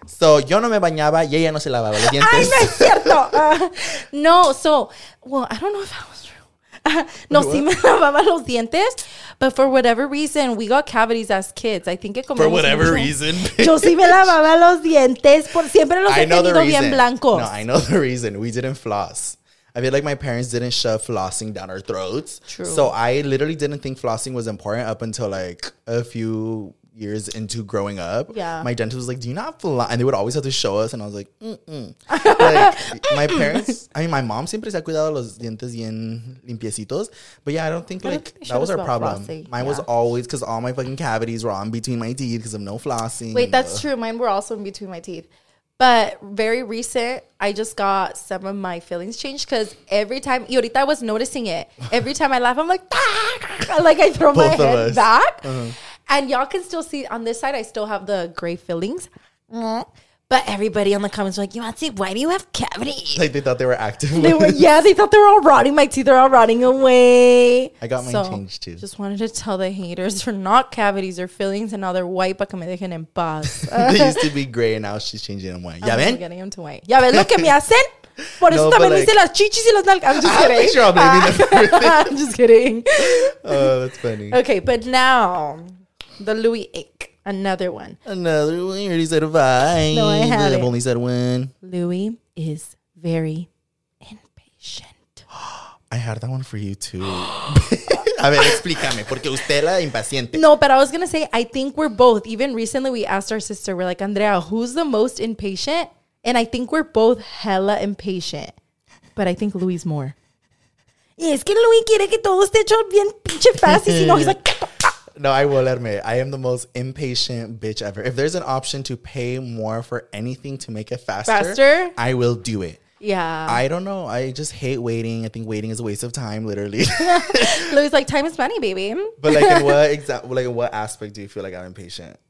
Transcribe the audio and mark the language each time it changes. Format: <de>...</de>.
<es>So, yo no me bañaba y ella no se lavaba los dientes. Ay, no es cierto.</es> <en>No, so, well, I don't know if that was true.</en> <es>No, si me lavaba los dientes,</es> <en>but for whatever reason, we got cavities as kids. I think it comes. For whatever reason.</en> <es>Yo si me lavaba los dientes, por siempre los he tenido bien blancos.</es> <en>No, I know the reason. We didn't floss. I feel like my parents didn't shove flossing down our throats. True. So I literally didn't think flossing was important up until like a few years into growing up. Yeah. My dentist was like, do you not floss? And they would always have to show us. And I was like, mm-mm. Like, my parents, I mean, my mom</en> <es>siempre se ha cuidado los dientes bien limpiecitos.</es> <en>But yeah, I don't think like that was our problem. Flossing. Mine was always because all my fucking cavities were on between my teeth because of no flossing. Wait, that's true. Mine were also in between my teeth. But very recent, I just got some of my feelings changed because every time, ahorita I was noticing it. Every time I laugh, I'm like, like I throw both my head us. Back. Uh-huh. And y'all can still see on this side, I still have the gray fillings. But everybody on the comments are like, Yuanti, why do you have cavities? Like they thought they were active. They thought they were all rotting. My teeth are all rotting away. I got mine changed too. Just wanted to tell the haters they're not cavities, they're fillings, and now they're white, but</en> <es>como dejen en paz.</es> <en>They used to be gray, and now she's changing them white. Yeah, man. I'm getting them to white.</en> <es>Ya ven lo que me hacen? Por eso también dice las chichis y las nalgas.</es> <en>I'm just kidding. Sure I'm, I'm just kidding. Oh, that's funny. Okay, but now the Louis ick. Another one. Another one. You already said a vibe. No, I haven't. I've only said one. Louis is very impatient. I had that one for you too.</en> <es>A ver, explícame, porque usted la impaciente.</es> <en>No, but I was going to say, I think we're both. Even recently, we asked our sister, we're like, Andrea, who's the most impatient? And I think we're both hella impatient. But I think Louis more.</en> <es>Es que Louis quiere que todo esté hecho bien pinche fast. Y si no,</es> <en>he's like, no, I will admit, I am the most impatient bitch ever. If there's an option to pay more for anything to make it faster, I will do it. Yeah. I don't know. I just hate waiting. I think waiting is a waste of time, literally. Louis, like, time is money, baby. But, like, in what what aspect do you feel like I'm impatient?</en>